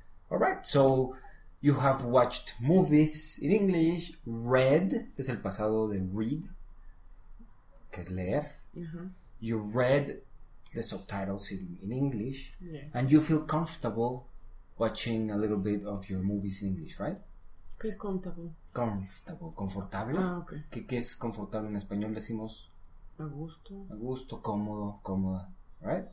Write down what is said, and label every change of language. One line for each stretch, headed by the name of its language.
English: Alright, so you have watched movies in English.
Spanish: Read, que es el pasado de read, que es leer. Uh-huh.
English: You read the subtitles in English, yeah. And you feel comfortable watching a little bit of your movies in English, right?
Spanish: ¿Qué es comfortable?
English: Comfortable, confortable. Ah, okay.
Spanish: ¿Qué es confortable en español? Decimos a gusto. A gusto, cómodo, cómoda, right?